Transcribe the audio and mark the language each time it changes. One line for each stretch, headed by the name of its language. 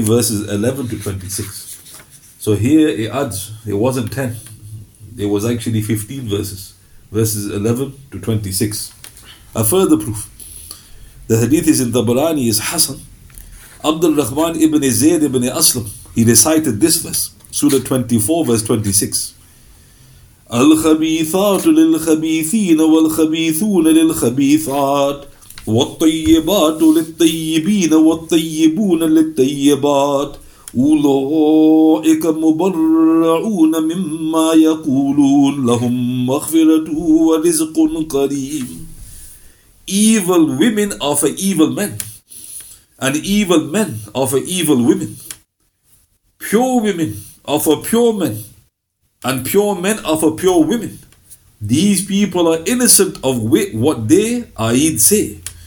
English: verses 11 to 26. So here it adds, it wasn't 10, it was actually 15 verses, verses 11 to 26. A further proof, the hadith is in Tabarani, is Hassan, Abdul Rahman ibn Zayd ibn Aslam, he recited this verse, Surah 24, verse 26.
Arabic: الخبيثات للخبيثين والخبيثون للخبيثات والطيبات للطيبين والطيبون للطيبات أولئك مبرعون مما يقولون لهم مغفرة ورزق كريم.
English: Evil women are for evil men, and evil men are for evil women. Pure women are for pure men, and pure men are for pure women. These people are innocent of what they, i.e. say.